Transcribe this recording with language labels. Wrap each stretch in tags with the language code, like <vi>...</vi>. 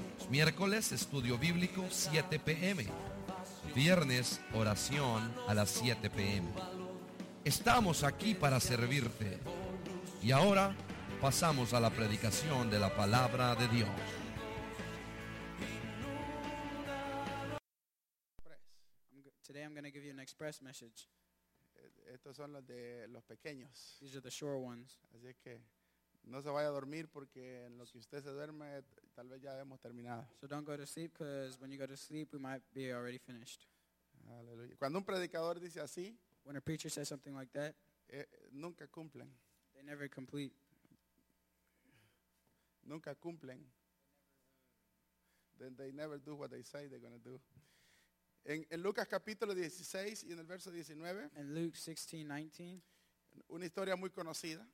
<es>Miércoles, Estudio Bíblico, 7 p.m. Viernes, Oración a las 7 p.m. Estamos aquí para servirte. Y ahora, pasamos a la predicación de la Palabra de Dios.</es> <en>Today I'm going to give you an express message.</en> <es>Estos son los de los pequeños.</es> <en>These are the short ones.</en> <es>Así es que no se vaya a dormir porque en lo que usted se duerme tal vez ya hemos terminado.</es> <en>So don't go to sleep because when you go to sleep we might be already finished.</en> <es>Aleluya. Cuando un predicador dice así,</es> <en>when a preacher says something like that,</en> <es>nunca cumplen.</es> <en>They never complete.</en> <es>Nunca cumplen.</es> <en>They never do what they say they're going to do.</en> <es>En Lucas capítulo 16 y en el verso 19.</es> <en>In Luke 16:19.</en> <es>Una historia muy conocida.</es>